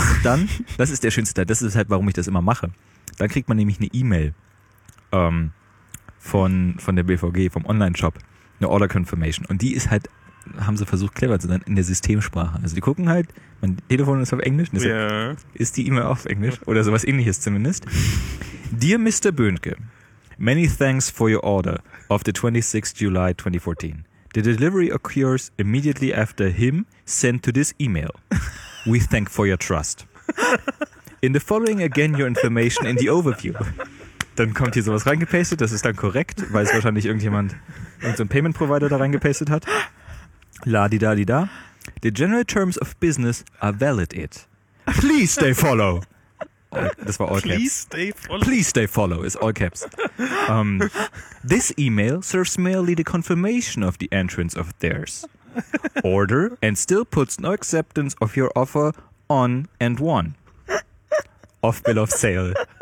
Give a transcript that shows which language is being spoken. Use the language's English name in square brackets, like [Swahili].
[German] Dann, das ist der schönste Teil, das ist halt, warum ich das immer mache. Dann kriegt man nämlich eine E-Mail von der BVG, vom Online-Shop. Eine Order Confirmation. Und die ist halt, haben sie versucht, clever zu sein, in der Systemsprache. Also die gucken halt, mein Telefon ist auf Englisch, ist die E-Mail auf Englisch oder sowas ähnliches zumindest. [English] Dear Mr. Böhnke, many thanks for your order of the 26th July 2014. The delivery occurs immediately after him sent to this email. We thank for your trust. In the following again your information in the overview. [German] Dann kommt hier sowas reingepastet, das ist dann korrekt, weil es wahrscheinlich irgendein Payment Provider da reingepastet hat. La-di-da-di-da. [English] The general terms of business are valid it. Please stay follow. [German] Das war [English] all caps. Please stay follow. Please stay follow is all caps. This email serves merely the confirmation of the entrance of theirs. Order and still puts no acceptance of your offer on and one. Off bill of sale.